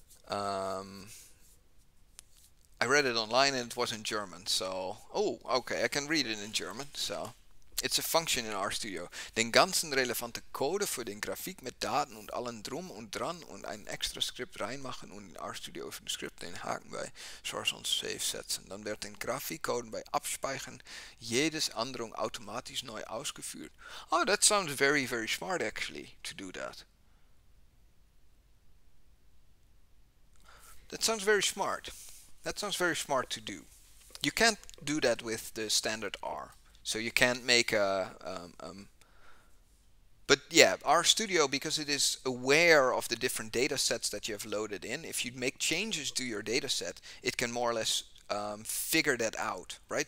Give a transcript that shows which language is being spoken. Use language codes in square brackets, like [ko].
[en] I read it online and it was in German, so... Oh, okay, I can read it in German, so... It's a function in RStudio. [de] Den ganzen relevante Code für den Grafik mit Daten und allen drum und dran und ein extra Skript reinmachen und in RStudio für den Skript den Haken bei Source on Save setzen. Dann wird den Grafikcode bei Abspeichern jedes Änderung automatisch neu ausgeführt. [en] Oh, that sounds very, very smart, actually, to do that. That sounds very smart to do. You can't do that with the standard R. So you can't make a... but yeah, RStudio, because it is aware of the different data sets that you have loaded in, if you make changes to your data set, it can more or less figure that out, right?